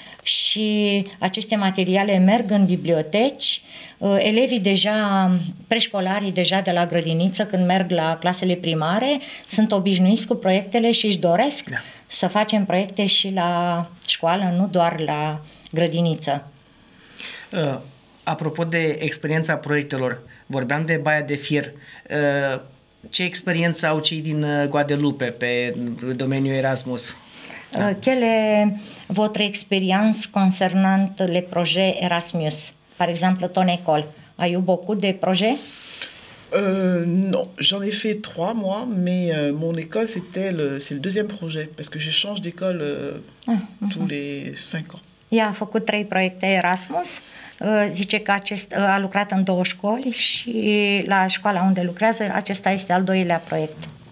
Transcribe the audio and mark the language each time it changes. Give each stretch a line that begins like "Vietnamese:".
Romanian: Și aceste materiale merg în biblioteci, elevii deja, preșcolarii deja de la grădiniță când merg la clasele primare sunt obișnuiți cu proiectele și își doresc să facem proiecte și la școală, nu doar la grădiniță. Apropo de experiența proiectelor, vorbeam de Baia de Fier. Ce experiență au cei din Guadeloupe pe domeniul Erasmus?
French: Quelle est votre expérience concernant les projets Erasmus? Par exemple, ton école, a eu beaucoup de projets? Non, j'en ai fait 3 mois, mais mon école, c'est le deuxième projet, parce que je change d'école tous les 5 ans.
Romanian: Ea a făcut 3 proiecte Erasmus, zice că a lucrat în 2 școli și la școala unde lucrează, acesta este al 2-lea proiect.